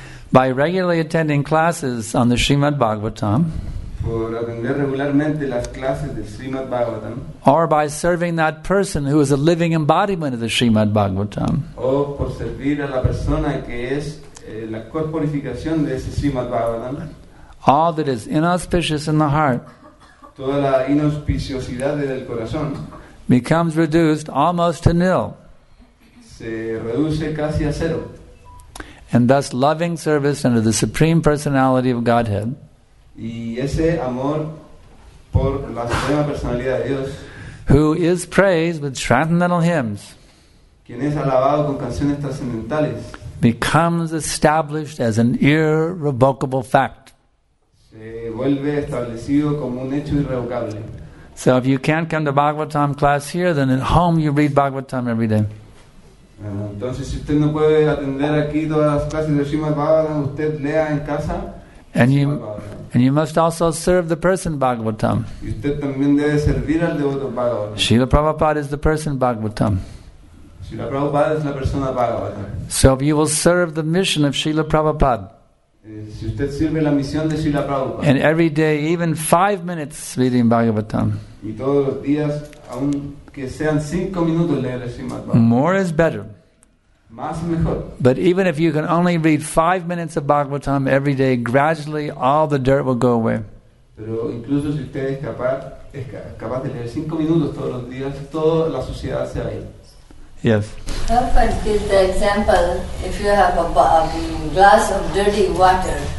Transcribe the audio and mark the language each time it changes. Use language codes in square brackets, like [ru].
[en] By regularly attending classes on the Srimad Bhagavatam, [es] por atender regularmente las clases de Srimad Bhagavatam, [en] or by serving that person who is a living embodiment of the Srimad Bhagavatam, [es] o por servir a la persona que es la corporificación de ese Srimad Bhagavatam, [en] all that is inauspicious in the heart, [es] toda la inauspiciosidad del corazón, [en] becomes reduced almost to nil. [es] Se reduce casi a cero. [en] And thus loving service under the Supreme Personality of Godhead, [es] y ese amor por la Suprema Personalidad de Dios, [en] who is praised with transcendental hymns, [es] quien es alabado con canciones trascendentales, [en] becomes established as an irrevocable fact. [es] Vuelve establecido como un hecho irrevocable. [en] So if you can't come to Bhagavatam class here, then at home you read Bhagavatam every day. [es] Entonces, si usted no puede atender aquí todas las clases de Srimad Bhagavatam, usted lea en casa. [en] And you must also serve the person Bhagavatam. [es] Y usted también debe servir al devoto Bhagavatam. [en] Srila Prabhupada is the person Bhagavatam. [es] Srila Prabhupada es la persona Bhagavatam. [en] So if you will serve the mission of Srila Prabhupada, [es] si usted sirve la misión de Srila Prabhupada, [en] and every day, even 5 minutes reading Bhagavatam, [es] y todos los días, aunque sean 5 minutos leer el Srimad Bhagavatam, [en] more is better. [es] Más mejor. [en] But even if you can only read 5 minutes of Bhagavatam every day, gradually all the dirt will go away. [es] Pero incluso si usted es capaz de leer 5 minutos todos los días, toda la suciedad se va a ir. [en] Yes. Prabhupada gives the example, if you have a glass of dirty water,